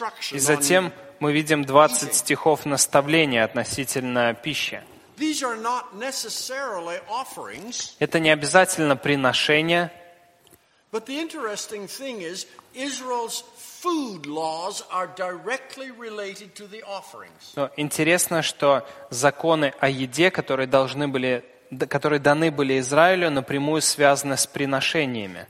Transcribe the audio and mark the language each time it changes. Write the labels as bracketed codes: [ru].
[ru] И затем мы видим 20 стихов наставления относительно пищи. [en] These are not necessarily offerings. [ru] Это не обязательно приношения. [en] But the interesting thing is, Israel's food laws are directly related to the offerings. [ru] Но интересно, что законы о еде, которые должны были которые даны были Израилю, напрямую связаны с приношениями.